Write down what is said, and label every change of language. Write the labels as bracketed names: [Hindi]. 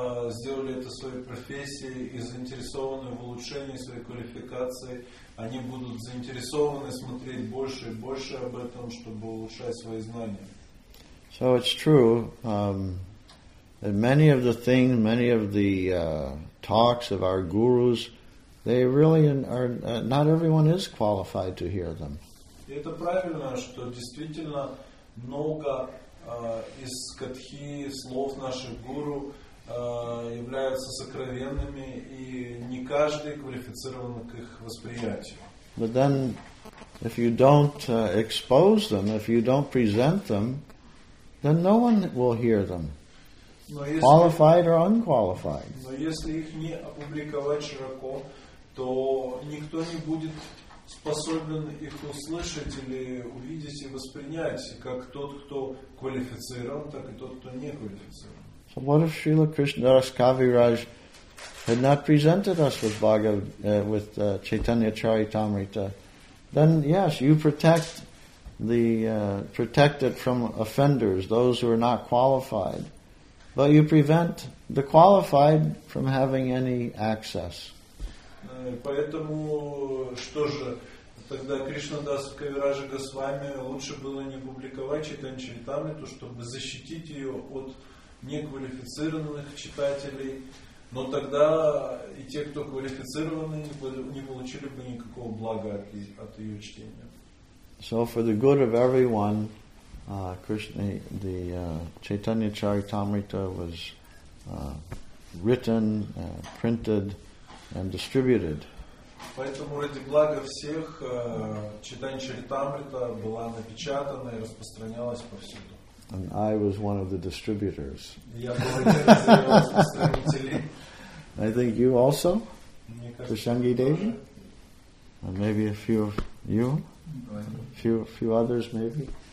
[Russian] Сделали это своей профессией и заинтересованы в улучшении своей квалификации, они будут заинтересованы смотреть больше и больше об этом, чтобы улучшать свои знания. [English] So it's true that many of the things, many of the talks of our gurus, they really are not everyone is qualified to hear them. [Russian] И это правильно, что действительно много из катхи, слов наших гуру являются сокровенными, и не каждый квалифицирован к их восприятию. [English] But then, if you don't expose them, if you don't present them, then no one will hear them, qualified or unqualified. [Russian] Но если их не опубликовать широко, то никто не будет способен их услышать или увидеть и воспринять, как тот, кто квалифицирован, так и тот, кто не квалифицирован. [English] So what if Srila Krishnadas Kaviraj had not presented us with Chaitanya Charitamrita? Then yes, you protect the protected from offenders, those who are not qualified, but you prevent the qualified from having any access. [Russian] Поэтому что же тогда Кришнадас Кавираджа Госвами лучше было не публиковать Чайтанья Чаритамриту, чтобы защитить ее от неквалифицированных читателей, но тогда и те, кто квалифицированы, не получили бы никакого блага от ее чтения. [English] So for the good of everyone, Krishna, the Chaitanya Charitamrita was written, printed, and distributed. [Russian] Поэтому ради блага всех Чайтанья Чаритамрита была напечатана и распространялась повсюду. [English] And I was one of the distributors. I think you also, Krishangi Devi, and maybe a few of you, a few others maybe.